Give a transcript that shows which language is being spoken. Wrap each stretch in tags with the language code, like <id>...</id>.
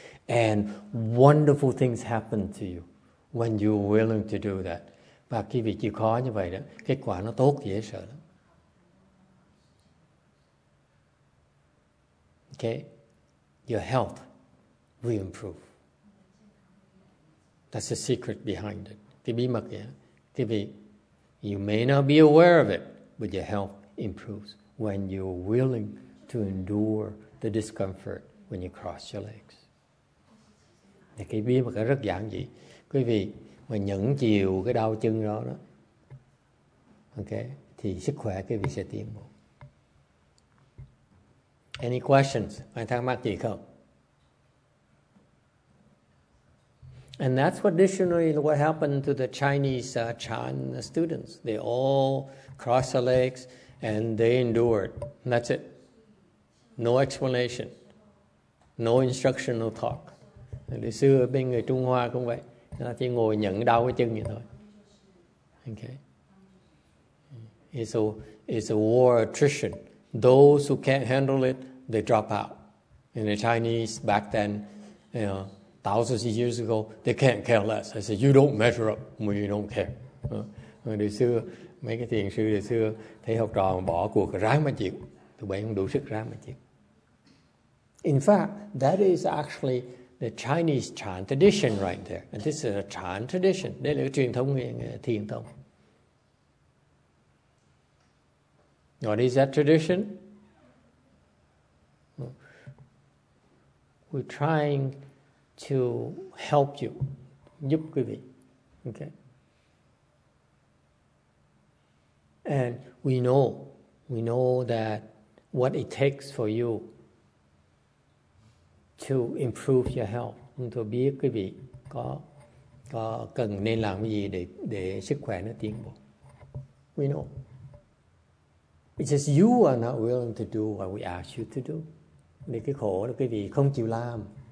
<en>And wonderful things happen to you when you're willing to do that.</en> <vi>Và cái việc chịu khó như vậy đó, kết quả nó tốt dễ sợ lắm.</vi> <en>Okay. Your health will improve. That's the secret behind it.</en> <vi>Cái bí mật vậy. Cái việc,</vi> <en>you may not be aware of it, but your health improves when you're willing to endure the discomfort when you cross your legs.</en> <vi>Thì cái bí mật rất giản dị. Quý vị mà nhẫn chịu cái đau chân đó đó, ok, thì sức khỏe quý vị sẽ tiến bộ.</vi> <en>Any questions?</en> <vi>Ai thắc mắc gì không?</vi> <en>And that's what additionally what happened to the Chinese Chan students. They all crossed their legs and they endured. And that's it. No explanation. No instructional talk.</en> <vi>Lý xưa bên người Trung Hoa cũng vậy. Nó chỉ ngồi nhận đau cái chân vậy thôi.</vi> <en>Okay. It's a war attrition. Those who can't handle it, they drop out. And the Chinese back then, you know, thousands of years ago, they can't care less. I said, you don't measure up when you don't care.</en> <vi>Đời xưa, mấy cái thiền sư đời xưa thấy học trò bỏ cuộc ráng mà chịu. Tụi bây không đủ sức ráng mà chịu.</vi> <en>In fact, that is actually the Chinese Chan tradition right there. And this is a Chan tradition.</en> <vi>Đây là cái truyền thống thiền tông.</vi> <en>What is that tradition? We're trying to help you,</en> <vi>giúp quý vị,</vi> <en>okay. And we know that what it takes for you to improve your health.</en> <vi>Chúng tôi biết quý vị có cần nên làm cái gì để sức khỏe nó tiến bộ.</vi> <en>We know. It's just you are not willing to do what we ask you to do.</en> <vi>Thì cái khổ là quý vị không chịu làm.</vi>